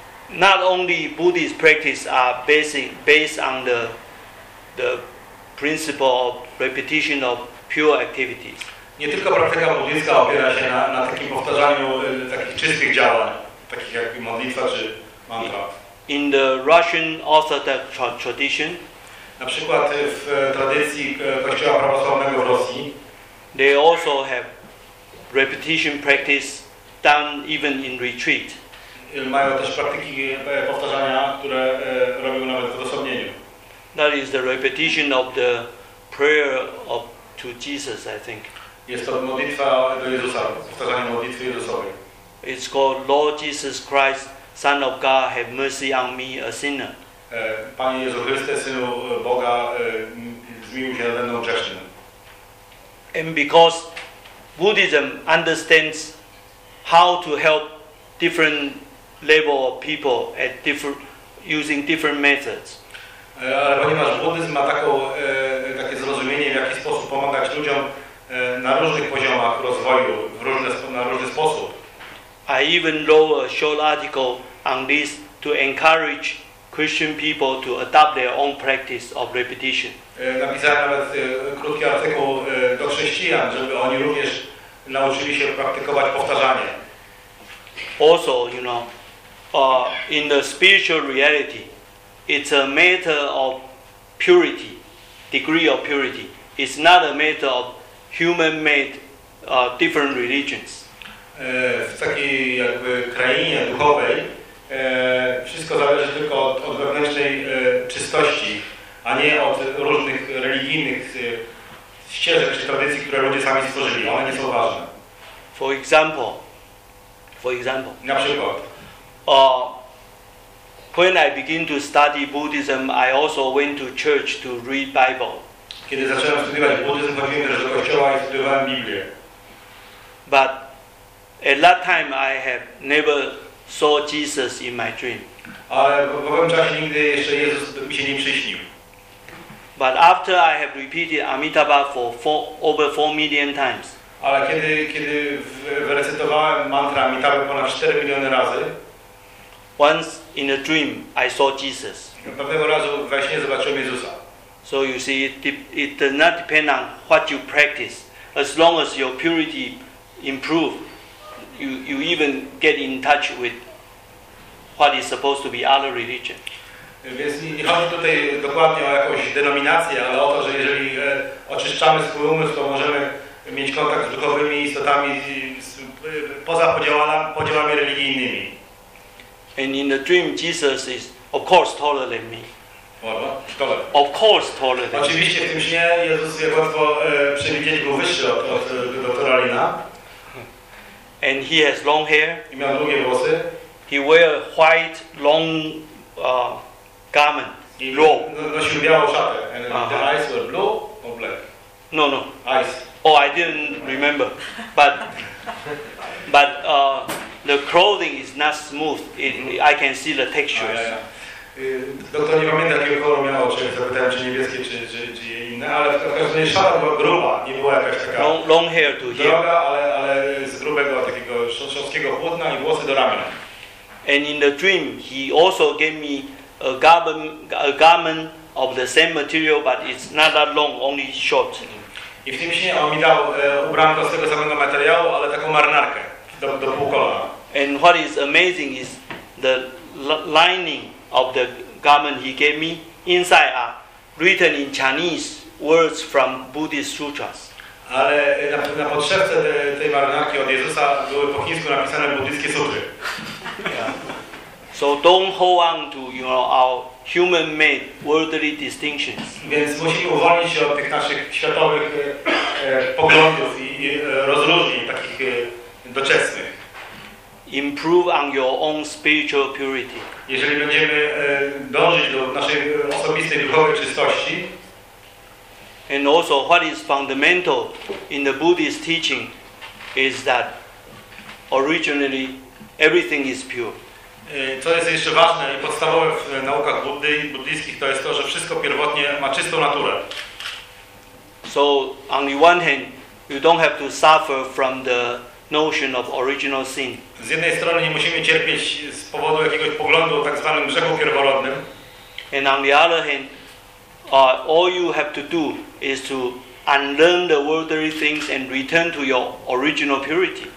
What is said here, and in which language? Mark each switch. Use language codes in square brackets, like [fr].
[en] Not only Buddhist practice are based on the principle of repetition of pure activities. [pl] Nie tylko praktyka buddyjska opiera się na takim powtarzaniu takich czystych działań, takich jak modlitwa czy mantra. [en] In the Russian Orthodox tradition. [pl] Na przykład w tradycji Kościoła prawosławnego w Rosji [en] they also have repetition practice done even in retreat. [pl] Mają też praktyki powtarzania, które robią nawet w odosobnieniu. [en] That is the repetition of the prayer of to Jesus, I think. [pl] Jest to modlitwa do Jezusa, powtarzanie modlitwy Jezusowej. [en] It's called Lord Jesus Christ, Son of God, have mercy on me, a sinner. [pl] Panie Jezu Chryste, Synu Boga, zmiłuj się nade mną grzesznym. [en] And because Buddhism understands how to help different level of people at different using different methods. [pl] Ale ponieważ buddyzm ma takie zrozumienie, w jaki sposób pomagać ludziom na różnych poziomach rozwoju, na różny sposób. [en] I even wrote a short article on this to encourage Christian people to adopt their own practice of repetition. [pl] Napisałem nawet krótki artykuł do chrześcijan, żeby oni również nauczyli się praktykować powtarzanie. [en] Also, you know, in the spiritual reality, it's a matter of purity, degree of purity. It's not a matter of human-made different religions. [pl] W takiej jakby krainie duchowej wszystko zależy tylko od wewnętrznej czystości, a nie od różnych religijnych ścieżek czy tradycji, które ludzie sami stworzyli. One nie są ważne. [en] For example. [pl] Na przykład. [en] When I begin to study Buddhism, I also went to church to read Bible. [pl] Kiedy zacząłem studiować buddyzm, chodziłem też do kościoła i studiowałem Biblię. [en] But at that time I have never saw Jesus in my dream. [pl] Ale w pewnym czasie nigdy jeszcze Jezus mi się nie przyśnił. [en] But after I have repeated Amitabha for over 4 million times. [pl] Ale kiedy wyrecytowałem mantra Amitabha ponad 4 miliony razy. [en] Once in a dream I saw Jesus. [pl] Pewnego razu we śnie zobaczyłem Jezusa. [en] So you see it does not depend on what you practice. As long as your purity improves, you even get in touch with what is supposed to be other religion. [pl] Więc nie chodzi tutaj dokładnie o jakąś denominację, ale o to, że jeżeli oczyszczamy swój umysł, to możemy mieć kontakt z duchowymi istotami poza podziałami religijnymi. [en] And in the dream, Jesus is, of course, taller than me. Tolerant. Of course, tolerant. [pl] Oczywiście w tym śnie Jezus wie łatwo przewidzieć był wyższy od doktora Lina. [en] And he has long hair. [pl] I miał długie włosy. [en] He wear white long garment. [pl] Robe. Nosił białą szatę. [en] And the eyes were blue or black. No, no. Eyes. Oh, I didn't remember. But the clothing is not smooth. It, I can see the textures. Ah, yeah. [pl] Doktor nie pamięta, jakiego koloru miała oczy, zapytałem, czy niebieskie, czy inne, ale w każdym razie szara była gruba, nie była jakaś taka [en] long hair to [pl] droga, ale z grubego takiego szorstkiego płótna i włosy do ramion. [en] And in the dream, he also gave me a garment of the same material, but it's not that long, only short. [pl] I w tym śnie on mi dał ubranko z tego samego materiału, ale taką marynarkę, do pół kolana. [en] And what is amazing is the lining of the garment he gave me, inside are written in Chinese words from Buddhist sutras. [pl] Ale na podszewce tej marynarki od Jezusa były po chińsku napisane buddyjskie sutry. [en] Yeah. So don't hold on to, you know, our human made worldly distinctions. [pl] Więc musimy uwolnić się od tych naszych światowych poglądów i rozróżnień takich doczesnych. [en] Improve on your own spiritual purity. [pl] Jeżeli będziemy dążyć do naszej osobistej duchowej czystości. [en] And also what is fundamental in the Buddhist teaching is that originally everything is pure. [pl] Co jest jeszcze ważne i podstawowe w naukach buddyjskich to jest to, że wszystko pierwotnie ma czystą naturę. [en] So on the one hand you don't have to suffer from the notion of original sin. [pl] Z jednej strony nie musimy cierpieć z powodu jakiegoś poglądu o tak zwanym grzechu pierworodnym. [en] And on the other hand, all you have to do is to unlearn the worldly things and return to your original purity.